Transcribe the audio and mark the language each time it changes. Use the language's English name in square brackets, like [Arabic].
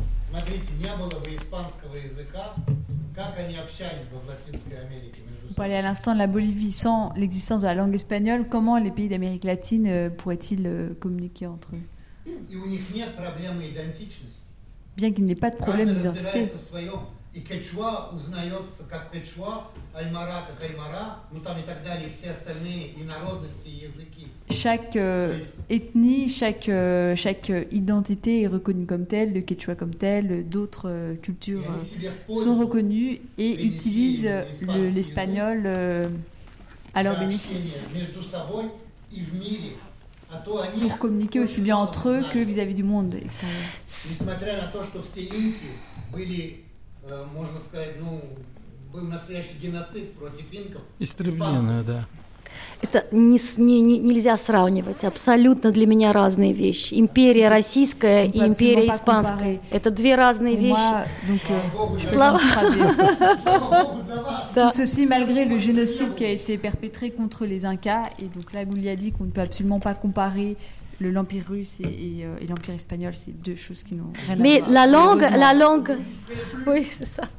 [Russian] Смотрите, не было бы испанского языка, как они общались бы в Латинской Америке между собой. [French] Vous parlez à l'instant de la Bolivie sans l'existence de la langue espagnole. Comment les pays d'Amérique latine pourraient-ils communiquer entre eux? [Russian] Et у них нет проблемы идентичности. [French] Bien qu'il n'y ait pas de problème d'identité. [Russian] И кечуа узнается как кечуа, аймара как аймара, ну там и так далее, все остальные инородности и языки. [French] Chaque ethnie, chaque identité est reconnue comme telle, le quechua comme tel, d'autres cultures sont reconnues et utilisent l'espagnol à leur bénéfice. [Russian] Между собой и в мире. [French] Pour communiquer aussi bien entre eux que vis-à-vis du monde extérieur. [Russian] Можно сказать, ну, был настоящий геноцид против инков. Истребление, да. Это нельзя сравнивать. Абсолютно для меня разные вещи. Империя российская и империя испанская. Это две разные вещи. Слава Богу. [French] Tout ceci malgré le génocide qui a été perpétré contre les Incas. Et donc là, Goulia dit qu'on ne peut absolument pas comparer l'Empire russe et l'Empire espagnol, c'est deux choses qui n'ont rien à voir. Mais la langue, oui, c'est ça.